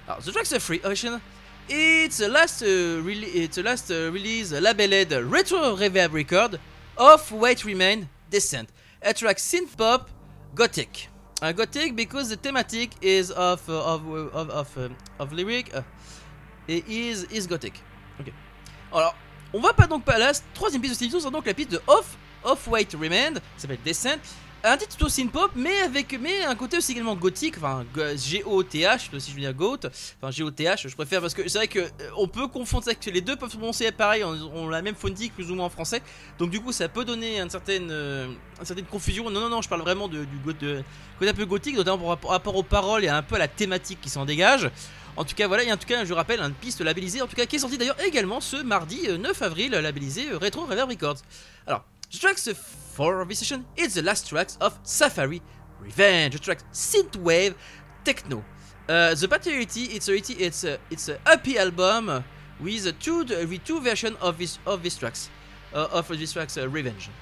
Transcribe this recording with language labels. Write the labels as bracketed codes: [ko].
[en] The tracks 3 of this session. It's the last release labeled Retro Reverb Record of Wait Remain Descent. A track synth pop gothic. Gothic because the thematic is of lyric is gothic. Okay. [fr] Alors, on va pas donc pas la troisième piste de Steve Jones, donc la piste de Off-Weight Remained, qui s'appelle Descent. Un titre plutôt synth-pop, mais un côté aussi également gothique, enfin G-O-T-H, si je veux dire goat, enfin G-O-T-H, je préfère, parce que c'est vrai que on peut confondre ça, que les deux peuvent se prononcer pareil, on a la même phonétique plus ou moins en français, donc du coup ça peut donner une certaine confusion. Non, je parle vraiment du côté un peu gothique, notamment par rapport aux paroles et un peu à la thématique qui s'en dégage. En tout cas, voilà, et en tout cas, je rappelle, une piste labellisée, en tout cas, qui est sortie d'ailleurs également ce mardi 9 avril, labellisée Retro Reverb Records. [en] Alors, the tracks for this session, it's the last tracks of Safari Revenge, the tracks Synthwave Techno. The Patriot, it's a happy album with two versions of this tracks Revenge.